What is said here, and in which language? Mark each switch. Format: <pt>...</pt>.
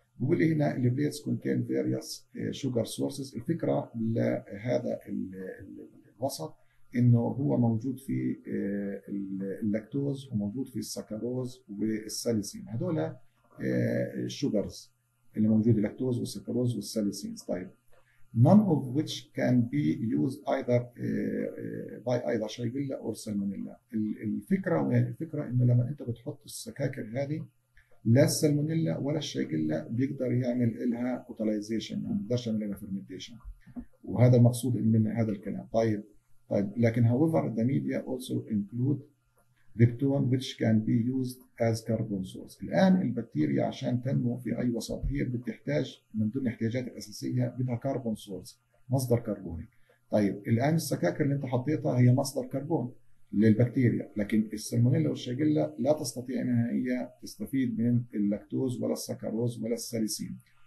<ar>بيقول هنا</ar> <en>البليتس contain various sugar sources.</en> <ar>الفكره لهذا الوسط انه هو موجود في اللاكتوز وموجود في السكروز والساليسين، هذول الشوجرز اللي موجوده اللاكتوز والسكروز والساليسين.</ar> <en>طيب none of which can be used either by either Shigella or Salmonella.</en> <ar>الفكره وين؟ الفكره انه لما انت بتحط السكاكر هذه لا السلمونيلا ولا الشيجيلا بيقدر يعمل لها اوتلايزيشن، يعني ما بيقدرش يعمل لها فرمنتيشن، وهذا المقصود من هذا الكلام. طيب لكن</ar> <en>however the media also include peptone which can be used as carbon source.</en> <ar>الان البكتيريا عشان تنمو في اي وسط هي بتحتاج من ضمن احتياجاتها الاساسيه بدها كربون سورس، مصدر كربوني. طيب الان السكاكر اللي انت حطيتها هي مصدر كربون للبكتيريا، لكن السلمونيلا والشيجيلا لا تستطيع انها هي تستفيد من اللاكتوز ولا السكروز ولا الساليسين.</ar>